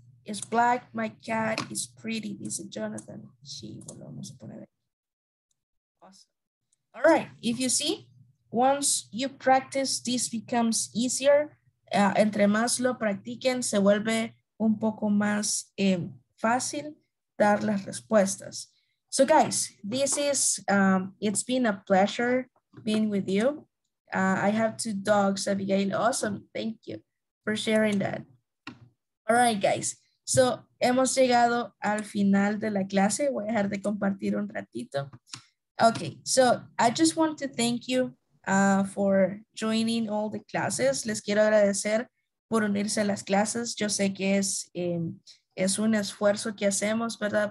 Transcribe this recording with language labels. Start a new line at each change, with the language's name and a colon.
English: It's black, my cat is pretty,
Spanish: dice
English: Jonathan.
Spanish: Sí, volvemos a poner ahí.
English: Awesome. All right, if you see, once you practice, this becomes easier.
Spanish: Entre más lo practiquen, se vuelve un poco más fácil dar las respuestas.
English: So guys, this is, it's been a pleasure being with you. I have two dogs, Abigail. Awesome, thank you for sharing that. All right, guys.
Spanish: So, hemos llegado al final de la clase. Voy a dejar de compartir un ratito.
English: Okay, so I just want to thank you for joining all the classes.
Spanish: Les quiero agradecer por unirse a las clases. Yo sé que es un esfuerzo que hacemos, ¿verdad?